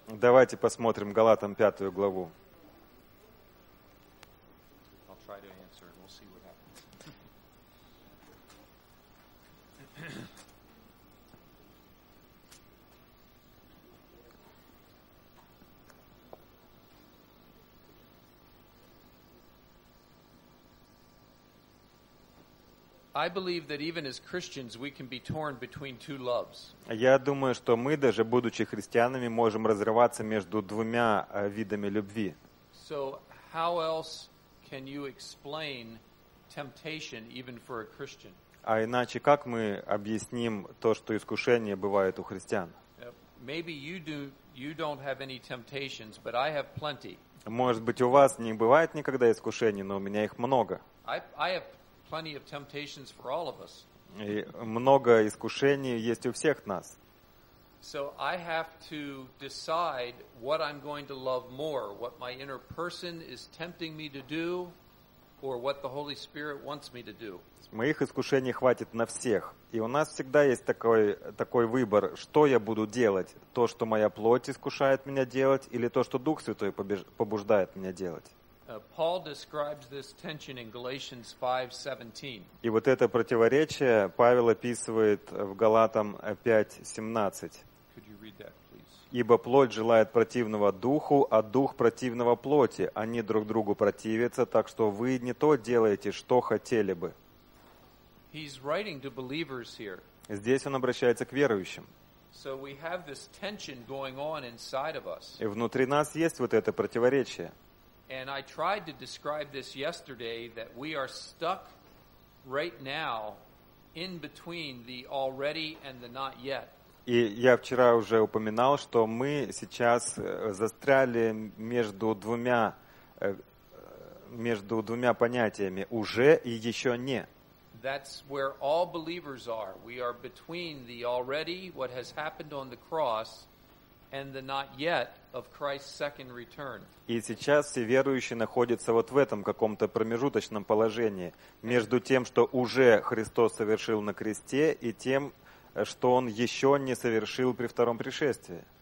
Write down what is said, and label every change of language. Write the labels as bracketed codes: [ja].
[ru] Давайте посмотрим Галатам 5 главу. [en] I'll try to answer and we'll see what happens. I believe that even as Christians we can be torn between two loves. [ru] Я думаю, что мы даже будучи христианами можем разрываться между двумя видами любви. [en] So how else can you explain temptation even for a Christian? [ru] А иначе как мы объясним то, что искушения бывают у христиан? [en] Maybe you don't have any temptations, but I have plenty. [ru] Может быть, у вас не бывает никогда искушений, но у меня их много. [en] I have plenty of temptations for all of us. [ru] И много искушений есть у всех нас. [en] So I have to decide what I'm going to love more, what my inner person is tempting me to do, or what the Holy Spirit wants me to do. [ru] Моих искушений хватит на всех. И у нас всегда есть такой выбор, что я буду делать, то, что моя плоть искушает меня делать, или то, что Дух Святой побуждает меня делать. [en] Paul describes this tension in Galatians 5:17. [ru] И вот это противоречие Павел описывает в Галатам 5:17. [en] Could you read that, please? [ru] Ибо плоть желает противного духу, а дух противного плоти. Они друг другу противятся, так что вы не то делаете, что хотели бы. [en] He's writing to believers here. [ru] Здесь он обращается к верующим. [en] So we have this tension going on inside of us. [ru] И внутри нас есть вот это противоречие. [en] And I tried to describe this yesterday that we are stuck right now in between the already and the not yet. [ru] И я вчера уже упоминал, что мы сейчас застряли между двумя понятиями уже и еще не. [en] That's where all believers are. We are between the already, what has happened on the cross, and the not yet of Christ's second return. [ru] И сейчас все верующие находятся вот в этом каком-то промежуточном положении между тем, что уже Христос совершил на кресте, и тем, что Он еще не совершил при втором пришествии.